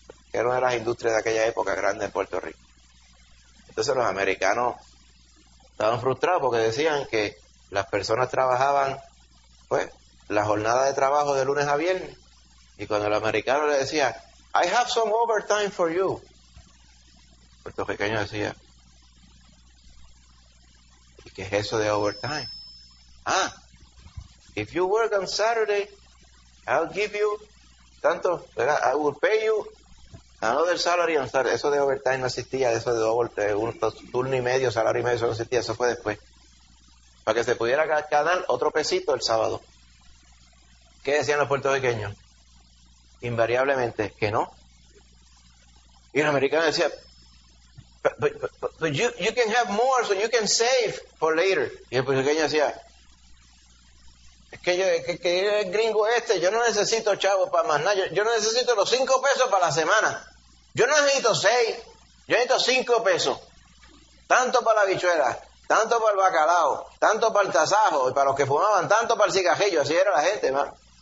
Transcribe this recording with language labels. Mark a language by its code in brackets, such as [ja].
[es] Que era una de las industrias de aquella época grande en Puerto Rico. Entonces los americanos estaban frustrados porque decían que las personas trabajaban, pues, la jornada de trabajo de lunes a viernes. Y cuando el americano le decía, [en] I have some overtime for you, [es] el puertorriqueño decía, ¿y qué es eso de overtime? [en] Ah, if you work on Saturday, I'll give you [es] tanto, ¿verdad? [en] I will pay you another salary on Saturday. [es] Eso de overtime no existía, eso de overtime, un turno y medio, salario y medio, eso no existía, eso fue después. Para que se pudiera ganar otro pesito el sábado. ¿Qué decían los puertorriqueños? Invariablemente, que no. Y el americano decía, [en] but you can have more, so you can save for later. [es] Y el puertorriqueño decía, es que el gringo este, yo no necesito chavo para más nada, yo no necesito los 5 pesos para la semana. Yo no necesito 6, yo necesito 5 pesos. Tanto para la bichuela, tanto para el bacalao, tanto para el tasajo, y para los que fumaban, tanto para el cigarrillo. Así era la gente, hermano.